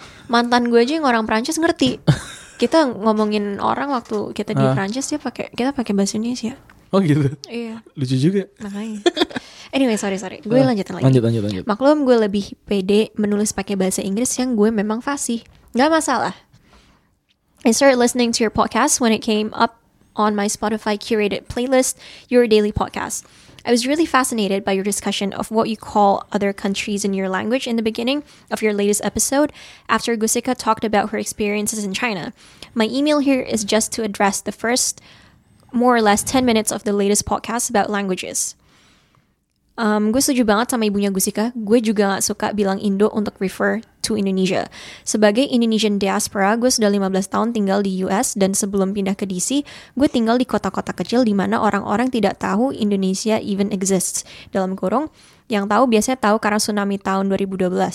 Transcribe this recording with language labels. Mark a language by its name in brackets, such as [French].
[Indonesian] mantan gue aja yang orang Prancis ngerti. Kita ngomongin orang waktu kita di Prancis dia pakai, kita pakai bahasa Indonesia. Oh gitu. Iya. Lucu juga. Makanya. Anyway, sorry. Gue lanjutin lagi. Lanjut. Maklum gue lebih pede menulis pakai bahasa Inggris yang gue memang fasih. Gak masalah. [English] I started listening to your podcast when it came up on my Spotify curated playlist, Your Daily Podcast. I was really fascinated by your discussion of what you call other countries in your language in the beginning of your latest episode after Gusika talked about her experiences in China. My email here is just to address the first more or less 10 minutes of the latest podcast about languages. [Indonesian] Gue setuju banget sama ibunya Gusika. Gue juga gak suka bilang Indo untuk [English] refer to Indonesia. [Indonesian] Sebagai Indonesian diaspora, gue sudah 15 tahun tinggal di US dan sebelum pindah ke DC, gue tinggal di kota-kota kecil di mana orang-orang tidak tahu Indonesia [English] even exists. [Indonesian] Dalam kurung, yang tahu biasanya tahu karena tsunami tahun 2012.